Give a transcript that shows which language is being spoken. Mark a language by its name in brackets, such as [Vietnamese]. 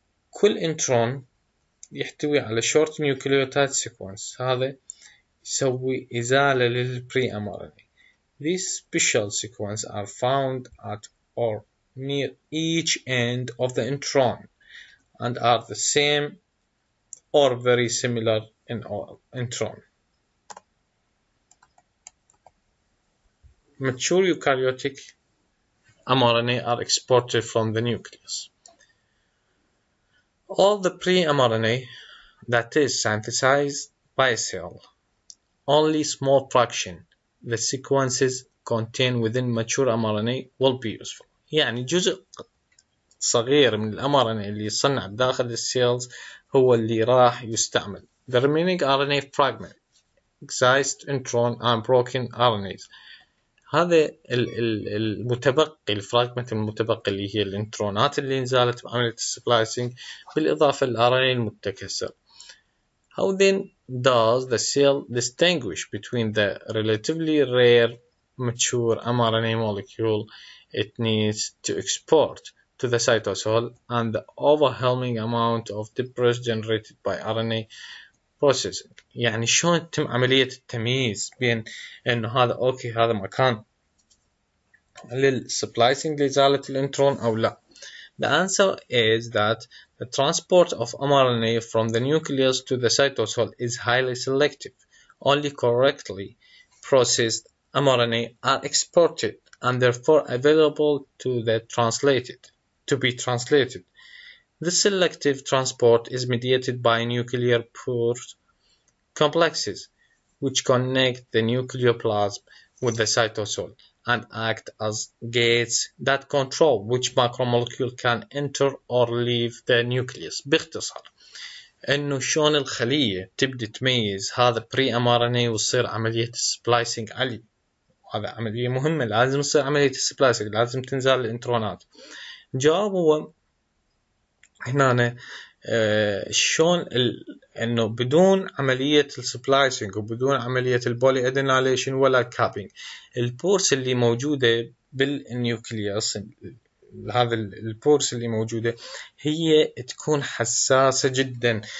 [Arabic] كل intron يحتوي على [English] short nucleotide sequence، [Arabic] هذا يسوي إزالة للبري mRNA. [English] These special sequences are found at or near each end of the intron and are the same or very similar in all intron. Mature eukaryotic mRNA are exported from the nucleus. All the pre-mRNA that is synthesized by a cell, only small fraction the sequences contained within mature mRNA will be useful. [Arabic] يعني جزء صغير من mRNA اللي يصنع بداخل السيلز هو اللي راح يستعمل. [English] The remaining RNA fragment, excised intron and broken RNAs. [Arabic] هذا المتبقي، الفراغمنت المتبقي اللي هي الانترونات اللي انزالت بعملية السبلايسنج، بالإضافة للRNA المتكسر. [English] How then does the cell distinguish between the relatively rare mature mRNA molecule it needs to export to the cytosol and the overwhelming amount of debris generated by RNA processing؟ [Arabic] يعني شلون تتم عملية التمييز بين انه هذا اوكي هذا مكان للسبلايسنج لإزالة الانترون او لا؟ [English] The answer is that the transport of mRNA from the nucleus to the cytosol is highly selective. Only correctly processed mRNA are exported and therefore available to the translated to be translated. This selective transport is mediated by nuclear pore complexes, which connect the nucleoplasm with the cytosol and act as gates that control which macromolecule can enter or leave the nucleus. [Arabic] باختصار انه شلون الخلية تبدي تميز هذا بري ام ار ان اي ويصير عملية السبلايسنج علي، وهذا عملية مهمة لازم تصير عملية السبلايسنج، لازم تنزل الانترونات. الجواب هو هنا شلون انه بدون عملية السبلايسنج وبدون عملية البولي ادينيليشن ولا الكابينج، البورس اللي موجودة بالنيوكليوس، هذا البورس اللي موجودة هي تكون حساسة جدا.